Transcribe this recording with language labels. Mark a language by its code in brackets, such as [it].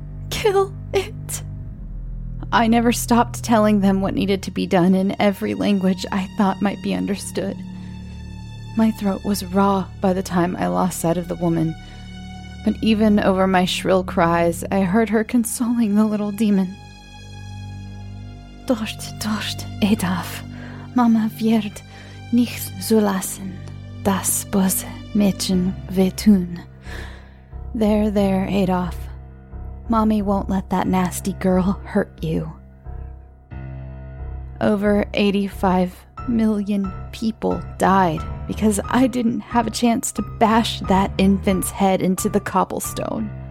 [en] Kill it!" I never stopped telling them what needed to be done in every language I thought might be understood. My throat was raw by the time I lost sight of the woman, but even over my shrill cries, I heard her consoling the little demon. [de] "Dort, dort, Edaf, Mama wird nicht zulassen, das bus Mädchen wehtun." [en] There, there, Edaf. Mommy won't let that nasty girl hurt you. Over 85 million people died because I didn't have a chance to bash that infant's head into the cobblestone.